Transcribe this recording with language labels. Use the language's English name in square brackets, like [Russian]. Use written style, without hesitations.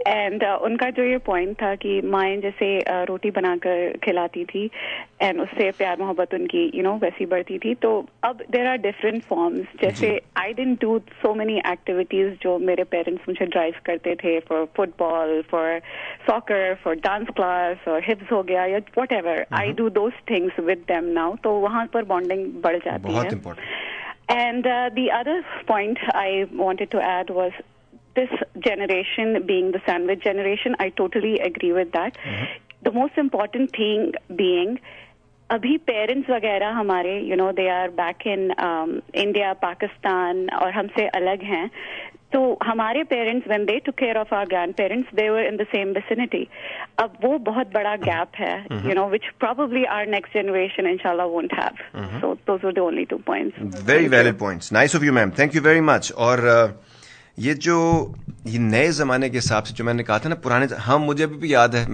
[Hindi] And उनका जो ये पॉइंट था कि माएं जैसे रोटी बनाकर खिलाती थी एंड उससे प्यार मोहब्बत उनकी यू नो वैसी बढ़ती थी, तो अब [English] There are different forms. जैसे I didn't do so many activities [Hindi] जो मेरे पेरेंट्स मुझे ड्राइव करते थे, [English] for football, for soccer, for dance class [Hindi] और हिप्स हो गया या [English] whatever, I do those things with them now, [Hindi] तो वहां पर बॉन्डिंग बढ़ जाती बहुत है. [English] important. And the other point I wanted to add was this generation being the sandwich generation, I totally agree with that. The most important thing being, [Hindi] abhi parents wagaira hamare, [English] you know, they are back in India, Pakistan, [Hindi] aur humse alag hain. तो हमारे parents [English] When they took care of our grandparents they were in the same vicinity. [Hindi] अब वो बहुत बड़ा gap है [English] You know which probably our next generation इंशाल्लाह won't have. So those were the only two points. Very valid points. Nice of you ma'am. Thank you very much. [Hindi] और ये जो ये नए जमाने के हिसाब से जो मैंने कहा था ना पुराने, हाँ मुझे अभी भी याद है.